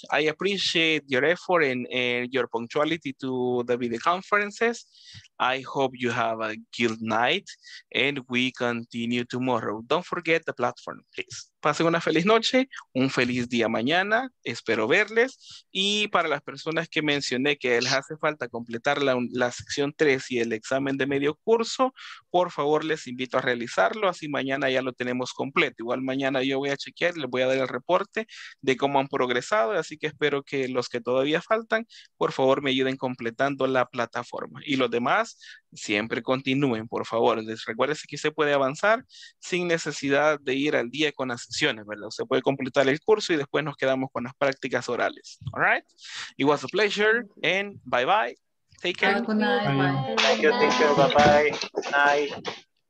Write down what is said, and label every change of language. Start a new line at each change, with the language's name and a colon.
English: I appreciate your effort and your punctuality to the video conferences. I hope you have a good night and we continue tomorrow. Don't forget the platform, please.
Spanish: Pasen una feliz noche, un feliz día mañana. Espero verles. Y para las personas que mencioné que les hace falta completar la sección 3 y el examen de medio curso, por favor, les invito a realizarlo. Así mañana ya lo tenemos completo. Igual mañana yo voy a chequear, les voy a dar el reporte de cómo han progresado. Así que espero que los que todavía faltan, por favor, me ayuden completando la plataforma. Y los demás, siempre continúen, por favor. Recuérdense que usted puede avanzar sin necesidad de ir al día con las sesiones, ¿verdad? Usted puede completar el curso y después nos quedamos con las prácticas orales.
English: All right. It was a pleasure and bye bye. Take care. Thank you. Thank you. Bye bye. Good night.